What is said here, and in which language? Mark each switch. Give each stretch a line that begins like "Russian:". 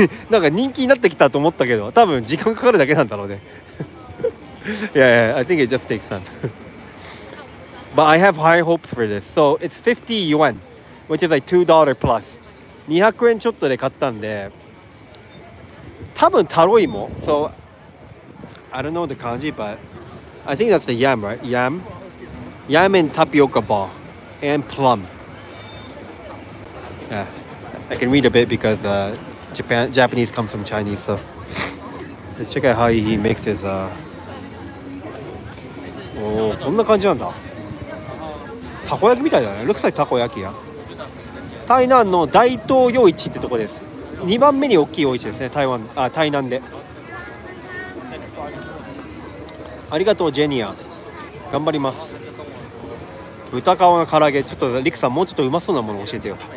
Japanese: なんか人気になってきたと思ったけど、多分時間かかるだけなんだろうね。
English: yeah, I think it just takes time. But I have high hopes for this. So it's 50 yuan, which is like $2 plus.
Japanese: 200 yen ちょっとで買ったんで、多分タロイモ。
English: So I don't know the kanji, but I think that's the yam, right? Yam? Yam and tapioca ball. And plum. Yeah, I can read a bit because Japanese comes from Chinese. So let's check out how he makes his...
Japanese: Oh, こんな感じなんだ。たこ焼きみたいだね。
English: looks like
Japanese: たこ焼きや。台南の大東洋市ってとこです。2番目に大きい洋市ですね。台南で。ありがとうジェニア。頑張ります。豚皮の唐揚げ。ちょっとリクさんもうちょっとうまそうなもの教えてよ。